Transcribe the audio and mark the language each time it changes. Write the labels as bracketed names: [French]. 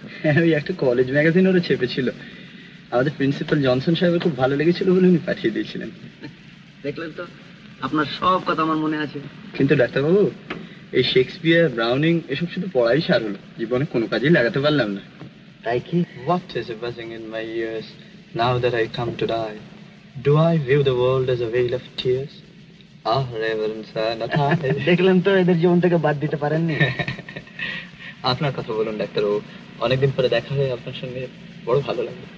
[Bangla] হ্যাঁ, ওই একটা কলেজ ম্যাগাজিন ওরা ছেপেছিল, আমাদের প্রিন্সিপাল জনসন সাহেবের খুব ভালো লেগেছিল বলে উনি পাঠিয়ে দিয়েছিলেন। দেখলেন তো, আপনার সব কথা আমার মনে আছে। কিন্তু ডাক্তারবাবু, এই শেক্সপিয়ার ব্রাউনিং এসব শুধু পড়াই সার হলো, জীবনে কোনো কাজেই লাগাতে পারলাম না। তাই কি? [English] What is buzzing in my ears now that I come to die? Do I view the world as a veil of tears? Ah, Reverend Sir, not I. [Bangla] দেখলাম তো এদের জীবন থেকে বাদ দিতে পারেননি। আপনার কথা বলুন ডাক্তার, অনেকদিন পরে দেখা হয়ে আপনার সঙ্গে বড় ভালো লাগলো।